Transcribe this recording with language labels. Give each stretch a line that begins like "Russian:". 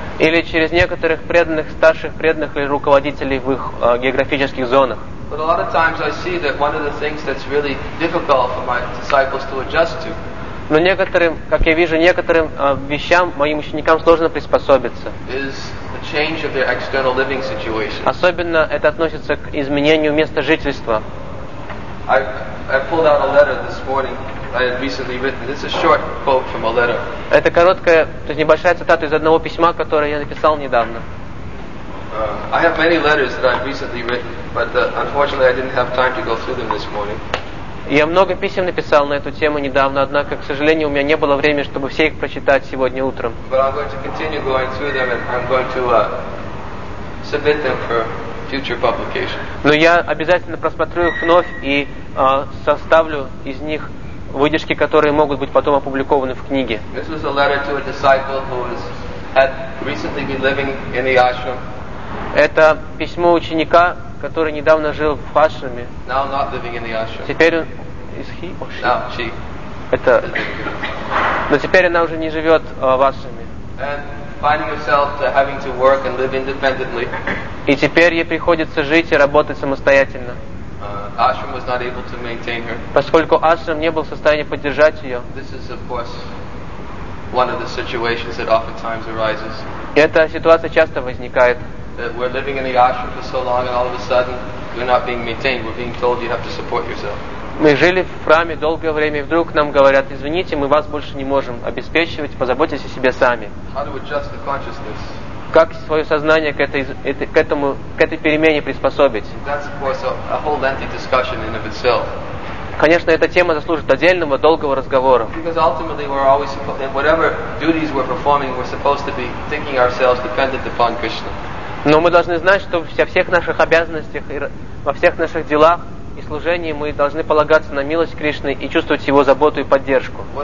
Russian: Или через некоторых преданных, старших преданных или руководителей в их географических зонах.
English: But a lot of times I see that one of the things that's really difficult for my disciples to adjust to.
Russian: Но некоторым, как я вижу, некоторым вещам, моим ученикам сложно приспособиться.
English: Is the change of their external living situation.
Russian: Особенно это относится к изменению места жительства. Это короткая, то есть небольшая цитата из одного письма, которое я написал недавно.
English: I have many letters that I've recently written, but unfortunately I didn't have time to go through them this morning.
Russian: Я много писем написал на эту тему недавно, однако, к сожалению, у меня не было времени, чтобы все их прочитать сегодня утром.
English: But I'm going to continue going through them and I'm going to submit them for future publication.
Russian: Но я обязательно просмотрю их вновь и составлю из них выдержки, которые могут быть потом опубликованы в книге.
English: This was a letter to a disciple who had recently been living in the ashram.
Russian: Это письмо ученика, который недавно жил в ашраме.
English: Now not living in the ashram.
Russian: Теперь он...
English: Is he or she? Now she.
Russian: Это... Но теперь она уже не живет в ашраме.
English: And finding herself having to work and live independently.
Russian: И теперь ей приходится жить и работать самостоятельно.
English: Ashram was not able to maintain her.
Russian: Поскольку ашрам не был в состоянии поддержать ее.
English: This is of course one of the situations that oftentimes arises.
Russian: Эта ситуация часто возникает.
English: That we're living in the ashram for so long, and all of a sudden we're not being maintained. We're being told you have to support yourself.
Russian: Мы жили в храме долгое время, и вдруг нам говорят: извините, мы вас больше не можем обеспечивать, позаботьтесь о себе сами.
English: How do we adjust the consciousness?
Russian: Как свое сознание к этой перемене приспособить?
English: That's of course a whole lengthy discussion in of itself.
Russian: Конечно, эта тема заслужит отдельного долгого разговора.
English: Because ultimately we're always in whatever duties we're performing, we're supposed to be thinking ourselves dependent upon Krishna.
Russian: Но мы должны знать, что во всех наших обязанностях и во всех наших делах и служении мы должны полагаться на милость Кришны и чувствовать Его заботу и поддержку.